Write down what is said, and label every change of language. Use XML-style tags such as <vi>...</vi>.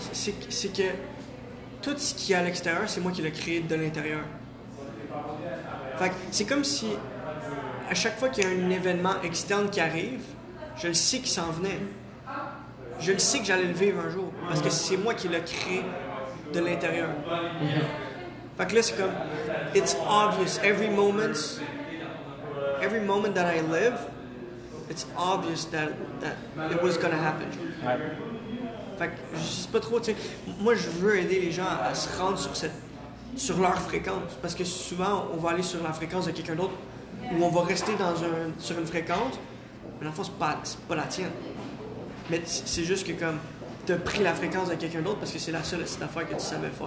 <fr>C'est que tout ce qui est à l'extérieur, c'est moi qui l'ai créé de l'intérieur. Fait que c'est comme si à chaque fois qu'il y a un événement externe qui arrive, je le sais qu'il s'en venait. Je le sais que j'allais le vivre un jour, parce que c'est moi qui l'ai créé de l'intérieur. Mm-hmm. Fait que là, c'est comme,</fr> <en>it's obvious, every moment that I live, it's obvious that it was gonna happen.</en> <fr>Ouais. Fait que, je sais pas trop, tu sais, moi je veux aider les gens à se rendre sur leur fréquence, parce que souvent, on va aller sur la fréquence de quelqu'un d'autre, ou on va rester sur une fréquence, mais dans le fond, c'est pas la tienne. Mais c'est juste que comme t'as pris la fréquence de quelqu'un d'autre parce que c'est la seule cette affaire que tu savais faire.</fr>